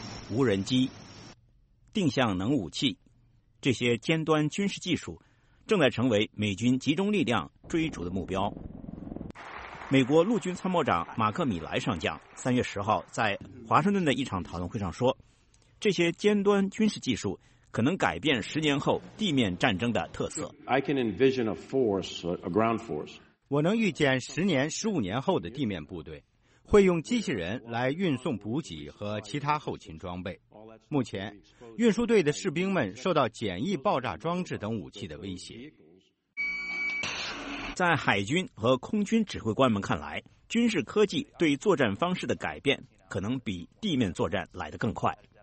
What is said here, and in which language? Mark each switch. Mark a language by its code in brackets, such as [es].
[zh] 无人机、定向能武器，这些尖端军事技术正在成为美军集中力量追逐的目标。美国陆军参谋长马克米莱上将3月10号在华盛顿的一场讨论会上说，这些尖端军事技术可能改变十年后地面战争的特色。 [en] I can envision a force, a ground force. [zh] 我能预见10年、15年后的地面部队会用机器人来运送补给和其他后勤装备。目前，运输队的士兵们受到简易爆炸装置等武器的威胁。在海军和空军指挥官们看来，军事科技对作战方式的改变可能比地面作战来得更快。